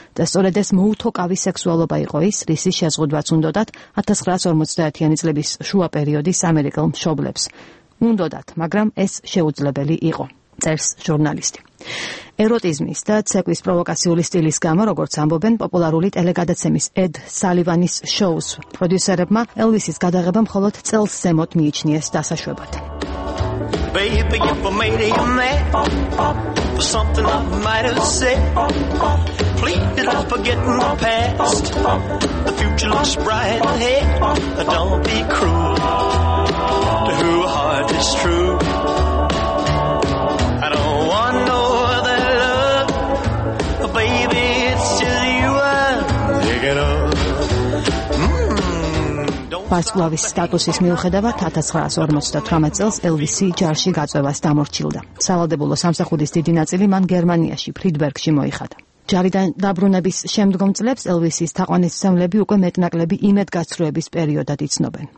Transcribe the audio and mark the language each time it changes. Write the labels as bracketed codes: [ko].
[ka] და სწორედ ეს მოუთოკავი სექსუალობა იყო ის, რისი შეზღუდვაც უნდოდათ 1950-იანი წლების შუა პერიოდის ამერიკელ მშობლებს. უნდოდათ, მაგრამ ეს შეუძლებელი იყო, წერს ჟურნალისტი. ეროტიზმის და ცეკვის პროვოკაციული სტილის გამო, როგორც ამბობენ პოპულარული ტელეგადაცემის ედ სალივანის შოუს პროდიუსერებმა, ელვისის გადაღება მხოლოდ წელს ზემოთ მიიჩნიეს დასაშვებად. [en] Baby, if I made you mad for something I might have said, please did I forget my past? The future looks bright ahead. Don't be cruel to who heart is true. I don't want no other love. Baby, it's just you I'm thinking of. [ka] ვარსკვლავის სტატუსის მიუხედავად 1958 წელს ელვისი ჯარში გაწვევას დამორჩილდა. სავალდებულო სამსახურის დიდი ნაწილი მან გერმანიაში, ფრიდბერგში მოიხადა. ჯარიდან დაბრუნების შემდგომ წლებს ელვისის თაყვანისმცემლები უკვე მეტნაკლები იმედ გაცრუების პერიოდად იცნობენ.